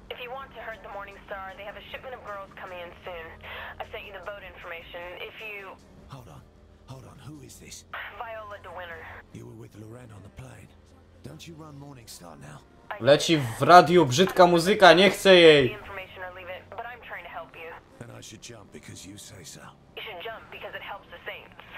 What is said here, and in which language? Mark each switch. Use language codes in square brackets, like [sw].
[en] If you want to hurt the Morningstar, they have a shipment of girls coming in soon. I sent you the boat information. If you... Hold on. Hold on. Who is this? Viola De Winter. You were with Loren on the plane. Don't you run Morningstar now? [pl] Leci w radiu brzydka muzyka, nie chcę jej! [en] But I'm trying to help you. Then I should jump because you say so. You should jump because it helps the Saints.